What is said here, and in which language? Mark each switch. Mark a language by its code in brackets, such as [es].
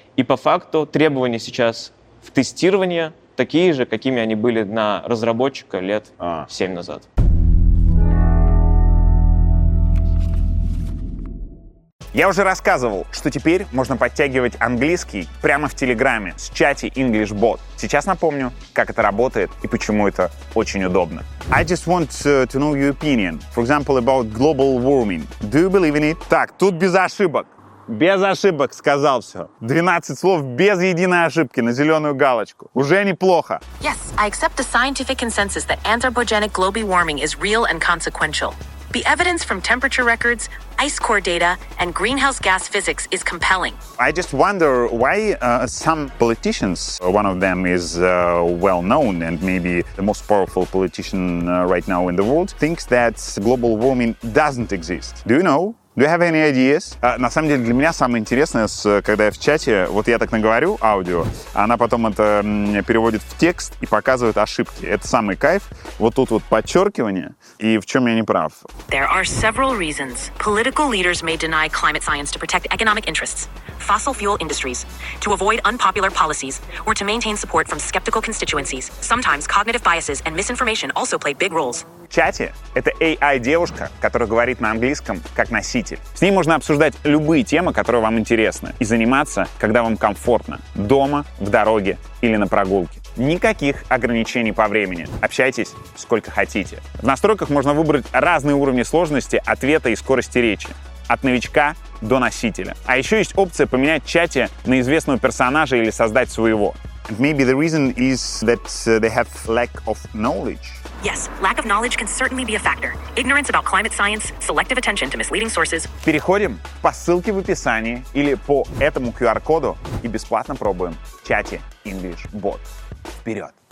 [ru] И по факту требования сейчас в тестировании такие же, какими они были на разработчика лет 7 назад. Я уже рассказывал, что теперь можно подтягивать английский прямо в Телеграме с чате EnglishBot. Сейчас напомню, как это работает и почему это очень удобно. [en] I just want to know your opinion. For example, about global warming. Do you believe in it? [ru] Так, тут без ошибок. Без ошибок сказал все. 12 слов без единой ошибки на зеленую галочку. Уже неплохо. [en] Yes, I accept the scientific consensus that anthropogenic global warming is real and consequential. The evidence from temperature records, ice core data, and greenhouse gas physics is compelling. I just wonder why some politicians, one of them is well known and maybe the most powerful politician right now in the world, thinks that global warming doesn't exist. Do you know? Do you have any ideas? [ru] На самом деле для меня самое интересное, когда я в чате, вот я так наговорю аудио, она потом это переводит в текст и показывает ошибки. Это самый кайф. Вот тут вот подчеркивание, и в чем я не прав. [en] There are several reasons. Political leaders may deny climate science to protect economic interests, fossil fuel industries, to avoid unpopular policies, or to maintain support from skeptical constituencies. Sometimes cognitive biases and misinformation also play big roles. [ru] В чате это AI-девушка, которая говорит на английском, как на С ней можно обсуждать любые темы, которые вам интересны, и заниматься, когда вам комфортно, дома, в дороге или на прогулке. Никаких ограничений по времени. Общайтесь сколько хотите. В настройках можно выбрать разные уровни сложности ответа и скорости речи. От новичка до носителя. А еще есть опция поменять чате на известного персонажа или создать своего. [en] Maybe the reason is that they have lack of knowledge. Yes, lack of knowledge can certainly be a factor. Ignorance about climate science, selective attention to misleading sources. [ru] Переходим по ссылке в описании или по этому QR-коду и бесплатно пробуем в чате EnglishBot. Вперед!